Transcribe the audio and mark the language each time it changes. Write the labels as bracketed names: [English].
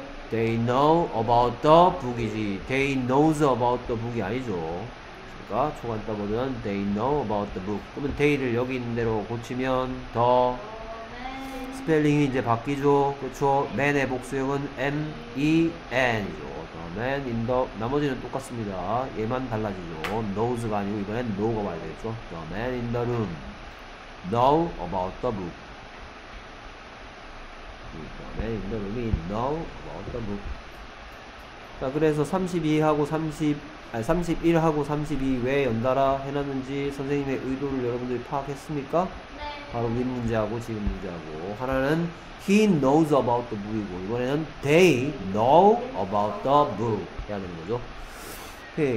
[English] They know about the book이지. They knows about the book이 [Korean] 아니죠. 그러니까 되니까 초가 더블은 [English] they know about the book. [Korean] 그러면 they를 여기 있는 대로 고치면 더 스펠링이 이제 바뀌죠. 그렇죠? man의 복수형은 men이죠. man in the 나머지는 똑같습니다. 얘만 달라지죠. knows가 아니고 이번엔 know가 와야 되겠죠. [English] the man in the room know about the book. the man in the room이 know about the book. [Korean] 자, 그래서 32하고 30 아니 31하고 32왜 연달아 해놨는지 선생님의 의도를 여러분들이 파악했습니까? 바로 윗 문제하고 지금 문제하고 하나는 [English] he knows about the book [Korean] 이고 이번에는 [English] they know about the book [Korean] 해야 되는 거죠. 오케이.